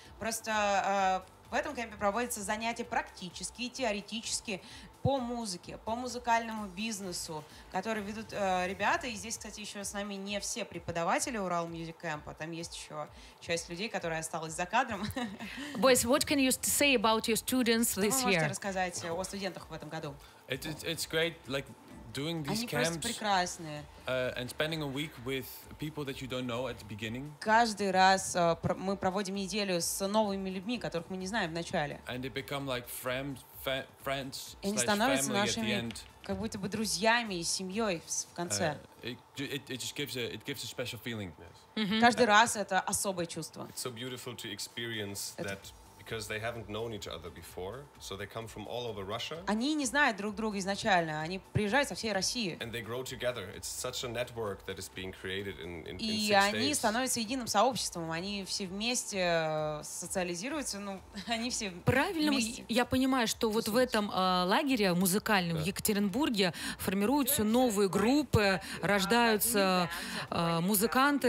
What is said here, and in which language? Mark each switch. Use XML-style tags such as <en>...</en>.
<ru>Просто в этом кемпе проводятся занятия практические, теоретические по музыке, по музыкальному бизнесу, который ведут ребята. И здесь, кстати, еще с нами не все преподаватели Урал Мьюзик Кэмпа. Там есть еще часть людей, которая осталась за кадром.</ru> <en>Boys, what can you say about your students this year?</en> <ru>Что вы можете рассказать о студентах в этом году?</ru> <en>It's great, like doing these</en> <ru>Они</ru> <en>camps</en> <ru>прекрасные.</ru> <en>And spending a week with people that you don't know at the beginning.</en> <ru>Каждый раз мы проводим неделю с новыми людьми, которых мы не знаем в начале.</ru> <en>And they become like friends.</en> <ru>И они становятся нашими, как будто бы друзьями и семьей в конце.</ru> <en>It gives a special feeling. Yes. Mm-hmm.</en> <ru>Каждый раз это особое чувство.</ru> <en>It's so beautiful to experience that. Because they haven't known each other before, so they come from all over Russia.</en> <ru>Они не знают друг друга изначально, они приезжают со всей России.</ru> <en>And they grow together. It's such a network that is being created in six days.</en> <ru>И они становятся единым сообществом, они все вместе социализируются, ну, они все вместе. Правильно, я понимаю, что вот в этом лагере музыкальном,</ru> <en>yeah.</en> <ru>в Екатеринбурге, формируются новые группы, рождаются музыканты.</ru>